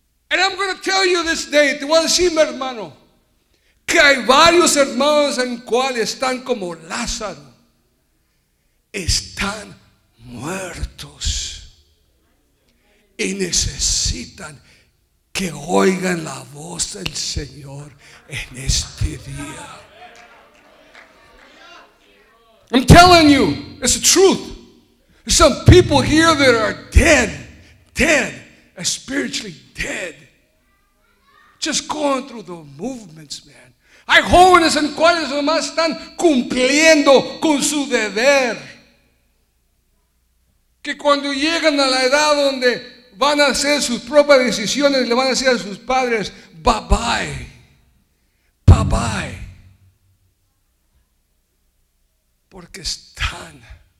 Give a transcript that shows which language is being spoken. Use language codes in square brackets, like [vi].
[en] And I'm going to tell you this day, [es] te voy a decir, mi hermano, que hay varios hermanos en cual están como Lázaro. Están muertos. Y necesitan que oigan la voz del Señor en este día. [en] I'm telling you, it's the truth. Some people here that are dead, dead, spiritually dead. Just going through the movements, man. [es] Hay jóvenes en cuales nomás están cumpliendo con su deber. Que cuando llegan a la edad donde van a hacer sus propias decisiones, le van a decir a sus padres, bye bye, bye bye. Porque están muertos.